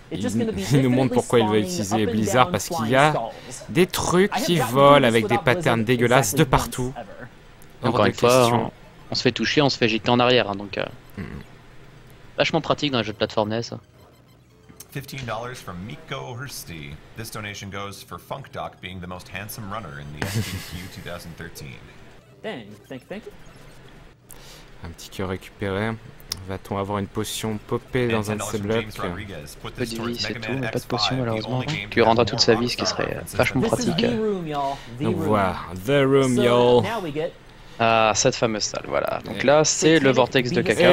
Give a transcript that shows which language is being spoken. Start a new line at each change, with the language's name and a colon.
French: Il nous montre pourquoi il veut utiliser Blizzard, parce qu'il y a des trucs qui volent avec des patterns dégueulasses de partout. Encore une fois, on se fait toucher, on se fait jeter en arrière. Hein, donc, vachement pratique dans les jeux de plateforme NES.
English: $15 from Miko Hursti. This donation goes for Funk Doc being the most handsome runner in the SDQ 2013. Dang, thank you.
French: Un petit cœur récupéré. Va-t-on avoir une potion popée dans un de ces blocs? Pas de vie, c'est tout, mais pas de potion malheureusement. Qui lui rendra toute sa vie, ce qui serait vachement pratique. Donc voilà,
English: The Room, y'all.
French: Ah, cette fameuse salle, voilà. Donc là, c'est le vortex de caca.